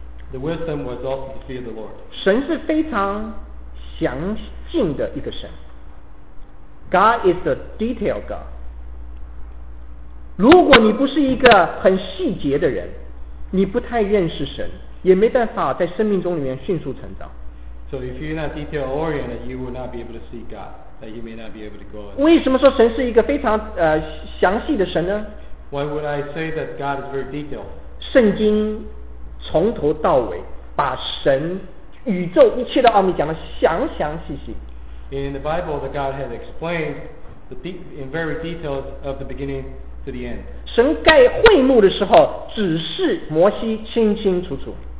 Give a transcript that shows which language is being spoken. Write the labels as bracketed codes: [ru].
[en] the wisdom was also to fear the Lord [zh] 神是非常详尽的一个神 [en] God is the detail God [zh] 如果你不是一个很细节的人你不太认识神也没办法在生命中里面迅速成长 [en] So if you're not detail oriented you will not be able to see God that you may not be able to go [zh] on 为什么说神是一个非常详细的神呢 [en] Why would I say that God is very detailed [zh] 圣经从头到尾把神宇宙一切的奥秘讲得详详细细 [en] In the Bible that God had explained the deep, in very details of the beginning to the end [zh] 神盖会幕的时候指示摩西清清楚楚